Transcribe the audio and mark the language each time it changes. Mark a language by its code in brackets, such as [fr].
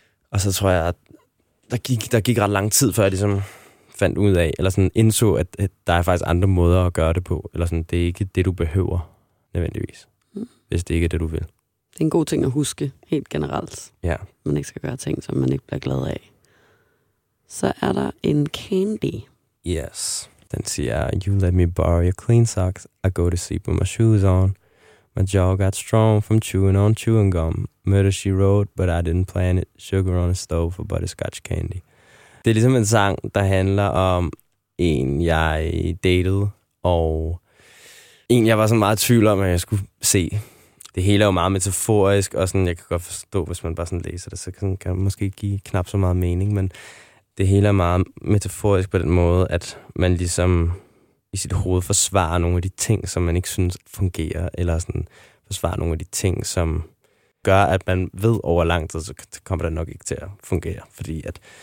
[da] Og så tror jeg, at der gik ret lang tid, før jeg ligesom fandt ud af, eller sådan indså, at der er faktisk andre måder at gøre det på, eller sådan, det er ikke det, du behøver, nødvendigvis, hvis det ikke er det, du vil. Det er en god ting at huske, helt generelt. Ja. Man ikke skal gøre ting, som man ikke bliver glad af. Så er der en candy. [en] Yes. [da] Den siger, [en] you let me borrow your clean socks, I go to sleep with my shoes on. My jaw got strong from chewing on chewing gum. Murder, she wrote, but I didn't plan it. Sugar on a stove for butterscotch candy. [da] Det er ligesom en sang, der handler om en, jeg datede, og en, jeg var så meget i tvivl om, at jeg skulle se. Det hele er jo meget metaforisk, og sådan, jeg kan godt forstå, hvis man bare sådan læser det, så kan det måske give knap så meget mening, men det hele er meget metaforisk på den måde, at man ligesom i sit hoved forsvarer nogle af de ting, som man ikke synes fungerer, eller sådan forsvarer nogle af de ting, som gør, at man ved over lang tid, så kommer det nok ikke til at fungere, fordi at